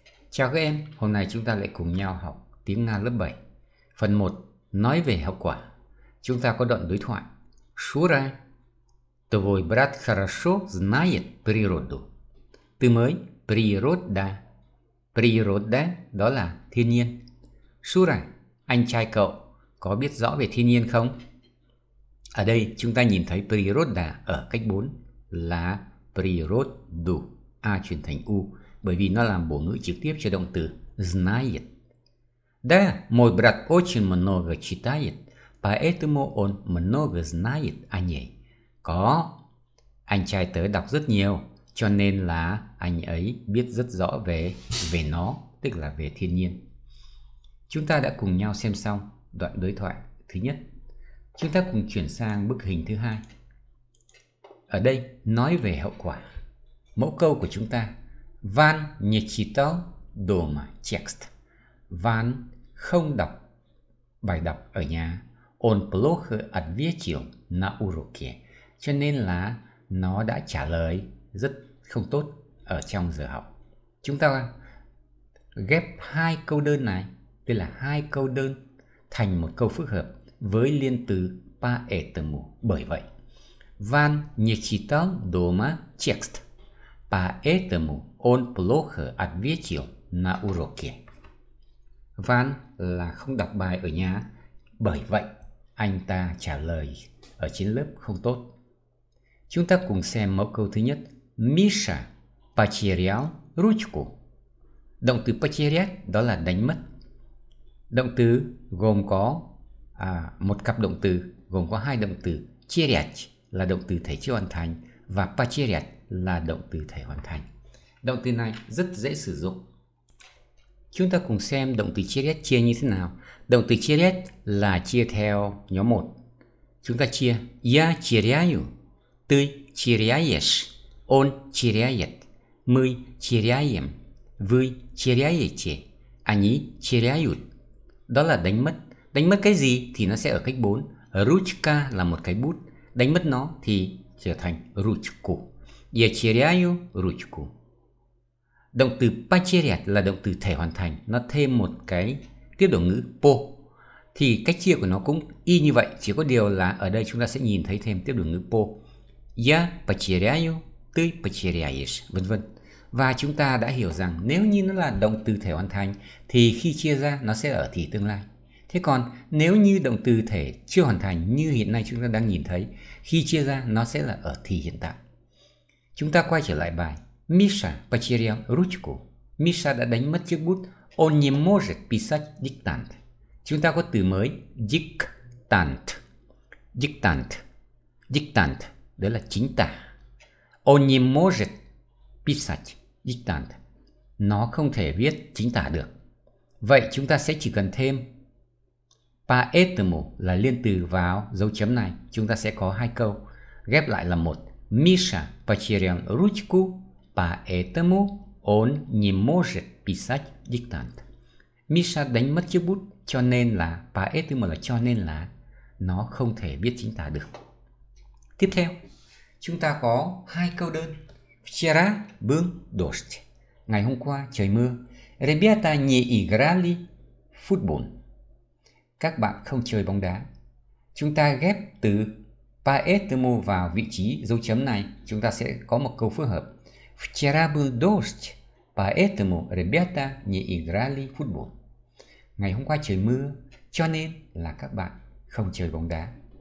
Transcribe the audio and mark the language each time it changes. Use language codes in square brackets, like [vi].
[vi] Chào các em, hôm nay chúng ta lại cùng nhau học tiếng Nga lớp 7. Phần 1, nói về hậu quả. Chúng ta có đoạn đối thoại. [ru] Шура, твой брат хорошо знает природу. [vi] Từ mới, природа. Природа, đó là thiên nhiên. Шура, anh trai cậu có biết rõ về thiên nhiên không? Ở đây, chúng ta nhìn thấy природа ở cách 4 là природу, A chuyển thành U. Bởi vì nó làm bổ ngữ trực tiếp cho động từ знает. [ru] Да, мой брат очень много читает, поэтому он много знает о ней. [vi] Có, anh trai tớ đọc rất nhiều, cho nên là anh ấy biết rất rõ về nó, tức là về thiên nhiên. Chúng ta đã cùng nhau xem xong đoạn đối thoại thứ nhất. Chúng ta cùng chuyển sang bức hình thứ hai. Ở đây, nói về hậu quả. Mẫu câu của chúng ta: [ru] Ван не читал дома текст. [vi] Ван không đọc bài đọc ở nhà. [ru] Он плохо ответил на уроке. [vi] Cho nên là nó đã trả lời rất không tốt ở trong giờ học. Chúng ta ghép hai câu đơn này, tức là hai câu đơn thành một câu phức hợp với liên từ поэтому. [ru] Bởi vậy, Ван не читал дома текст. Поэтому он плохо ответил на уроке. [vi] Ван là không đọc bài ở nhà. Bởi vậy, anh ta trả lời ở trên lớp không tốt. Chúng ta cùng xem mẫu câu thứ nhất. [ru] Миша потерял ручку. [vi] Động từ потерять đó là đánh mất. Động từ gồm có một cặp động từ, gồm có hai động từ. Терять là động từ thể chưa hoàn thành và потерять là động từ thể hoàn thành. Động từ này rất dễ sử dụng. Chúng ta cùng xem động từ chia rét chia như thế nào. Động từ chia rét là chia theo nhóm 1. Chúng ta chia [ru] Я теряю, ты теряешь, он теряет, мы теряем, вы теряете, они теряют. [vi] Đó là đánh mất. Đánh mất cái gì thì nó sẽ ở cách 4. Ручка là một cái bút. Đánh mất nó thì trở thành ручку. [ru] Я теряю ручку. [vi] Động từ потерять là động từ thể hoàn thành. Нó thêm một cái tiếp đầu ngữ по. Thì cách chia của nó cũng y như vậy. Chỉ có điều là ở đây chúng ta sẽ nhìn thấy thêm tiếp đầu ngữ по. [ru] Я потеряю, ты потеряешь, [vi] vân vân. Và chúng ta đã hiểu rằng nếu như nó là động từ thể hoàn thành thì khi chia ra nó sẽ ở thì tương lai. Thế còn nếu như động từ thể chưa hoàn thành như hiện nay chúng ta đang nhìn thấy, khi chia ra nó sẽ là ở thì hiện tại. Chúng ta quay trở lại bài. [ru] Миша потерял ручку. [vi] Миша đã đánh mất chiếc bút. [ru] Он не может писать диктант. [vi] Chúng ta có từ mới. Диктант. Диктант. Диктант. Đó là chính tả. [ru] Он не может писать диктант. [vi] Nó không thể viết chính tả được. Vậy chúng ta sẽ chỉ cần thêm поэтому là liên từ vào dấu chấm này. Chúng ta sẽ có hai câu. Ghép lại là một. [ru] Миша потерял ручку, поэтому он не может писать диктант. [vi] Миша đánh mất chiếc bút, cho nên là, поэтому là cho nên là, nó không thể viết chính tả được. Тiếp theo, chúng ta có hai câu đơn. [ru] Вчера был дождь. [vi] Ngày hôm qua trời mưa. [ru] Ребята не играли в футбол. [vi] Các bạn không chơi bóng đá. Chúng ta ghép từ поэтому vào vị trí dấu chấm này, chúng ta sẽ có một câu phức hợp. [ru] Вчера был дождь, поэтому ребята не играли в футбол. [vi] Ngày hôm qua trời mưa, cho nên là các bạn không chơi bóng đá.